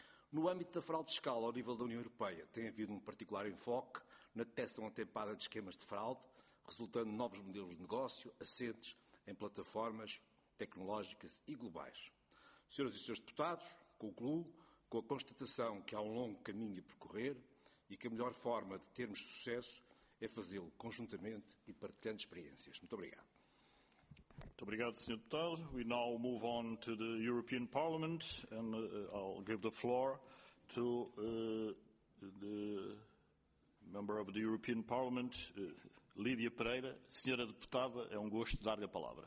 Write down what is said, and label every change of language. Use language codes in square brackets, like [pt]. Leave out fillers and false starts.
[pt] No âmbito da fraude fiscal ao nível da União Europeia, tem havido um particular enfoque na detecção antecipada de esquemas de fraude, resultando em novos modelos de negócio assentes em plataformas tecnológicas e globais. Senhoras e senhores deputados, concluo com a constatação que há um longo caminho a percorrer e que a melhor forma de termos sucesso é fazê-lo conjuntamente e partilhando experiências. Muito obrigado. Muito obrigado, Sr. Deputado. [en] We now move on to the European Parliament and I'll give the floor to the member of the European Parliament, Lídia Pereira. [pt] Senhora Deputada, é um gosto dar-lhe a palavra.